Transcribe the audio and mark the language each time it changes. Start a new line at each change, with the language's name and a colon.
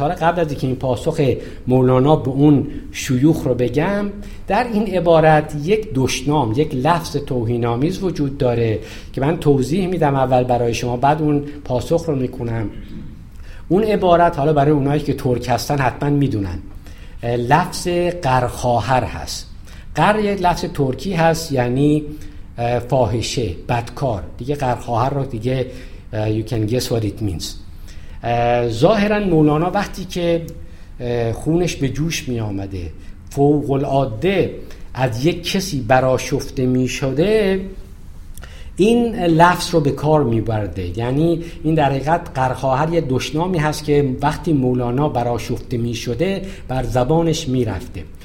Persian: حالا قبل از اینکه این پاسخ مولانا به اون شیوخ رو بگم، در این عبارت یک دشنام، یک لفظ توهین‌آمیز وجود داره که من توضیح میدم اول برای شما، بعد اون پاسخ رو میکنم. اون عبارت، حالا برای اونایی که ترک هستن حتما میدونن، لفظ قرخواهر هست. قر یک لفظ ترکی هست یعنی فاحشه، بدکار. دیگه قرخواهر رو دیگه
English: you can guess what it means.
Persian: ظاهراً مولانا وقتی که خونش به جوش می آمده، فوق العاده از یک کسی برآشفته می شده، این لفظ رو به کار می برده. یعنی این در حقیقت قرخواهر یه دشنامی هست که وقتی مولانا برآشفته می شده بر زبانش می رفته.